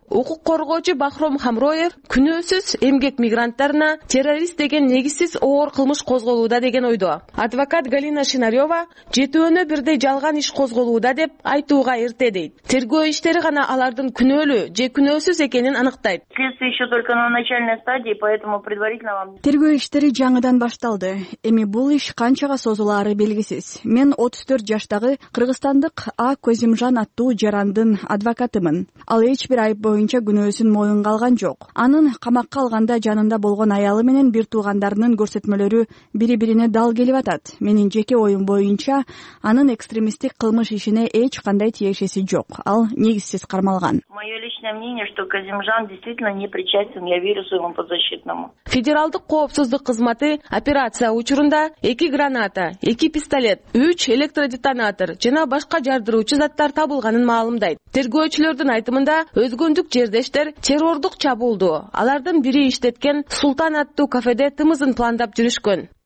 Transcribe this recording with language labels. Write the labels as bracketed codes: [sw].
[ky] Укук коргоочу Бахром Хамроев күнөөсүз эмгек мигранттарына террорист деген негизсиз оор кылмыш козголууда деген ойдо. Адвокат Галина Шинарева жетөөнө бирдей жалган иш козголууда деп айтууга эрте дейт. Тергөө иштери гана алардын күнөөлүү же күнөөсүз экенин аныктайт. [ru] Еще только на начальной стадии, поэтому предварительно вам... [ky] Тергөө иштери жаңыдан башталды. Эми бул иш канчага созулары белгисиз. Мен 34 жаштагы кыргызстандык А. Көзимжан аттуу жарандын адвокатымын. Ал эч бир айып боюнча күнөөсүн моюнга алган жок. Анын камакка алганда жанында болгон аялы менен бир туугандарынын көрсөтмөлөрү бири-бирине дал келип атат. Менин жеке оюм боюнча анын экстремисттик кылмыш ишине эч кандай тиешеси жок. Ал негизсиз кармалган. [ru] Мое личное мнение, что Козимжан действительно не причастен, я верю своему подзащитному. [ky] Федералдык коопсуздук кызматы операция учурунда 2 граната, 2 пистолет, 3 электродетонатор жана башка жардыруучу заттар табылганын маалымдайт. Тергөөчүлөрдүн айтымында өзгөндүк жердештер террордук чабуулду алардын бири иштеткен Султан аттуу кафеде тымызын пландап жүрүшкөн.